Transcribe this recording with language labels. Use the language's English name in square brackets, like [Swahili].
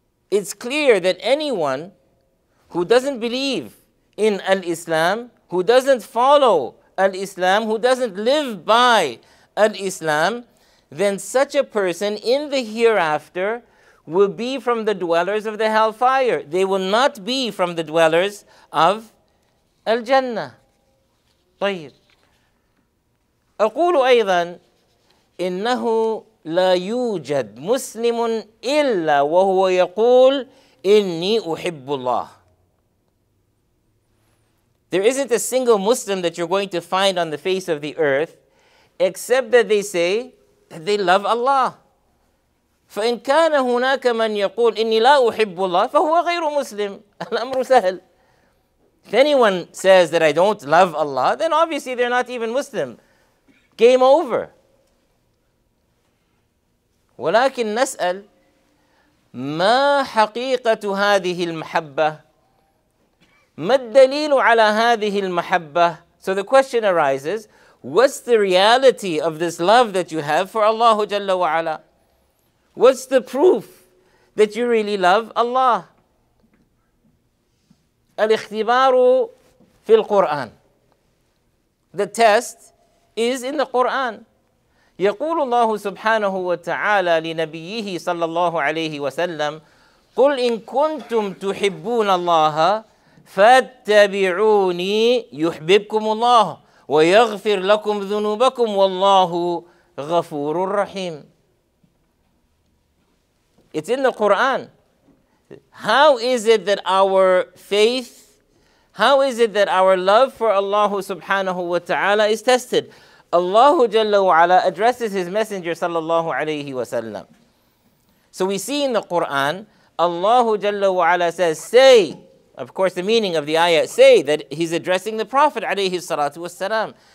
[English] It's clear that anyone who doesn't believe in al-Islam, who doesn't follow al-Islam, who doesn't live by al-Islam, then such a person in the hereafter will be from the dwellers of the hellfire. They will not be from the dwellers of [Arabic] الجنة. طيب أقول أيضا إنه لا يوجد مسلم إلا وهو يقول إني أحب الله. [English] There isn't a single Muslim that you're going to find on the face of the earth except that they say that they love Allah. [Arabic] فإن كان هناك من يقول إني لا أحب الله فهو غير مسلم. الأمر سهل. [English] If anyone says that I don't love Allah, then obviously they're not even Muslim. Game over. [Arabic] ولكن نسأل ما حقيقة هذه المحبة؟ [English] ما الدليل على هذه المحبة؟ So the question arises, what's the reality of this love that you have for Allah جل وعلا? What's the proof that you really love Allah? [Arabic] الاختبار في القرآن. [English] The test is in the Quran. [Arabic] يقول الله سبحانه وتعالى لنبيه صلى الله عليه وسلم قل إن كنتم تحبون الله فاتبعوني يحببكم الله ويغفر لكم ذنوبكم والله غفور رحيم. [English] It's in the Quran. How is it that our faith, how is it that our love for Allah subhanahu wa ta'ala is tested? Allah Jalla wa Ala addresses His Messenger sallallahu alayhi wa sallam. So we see in the Quran, Allah Jalla wa Ala says, say, of course the meaning of the ayah, say that He's addressing the Prophet alayhi salatu wa sallam.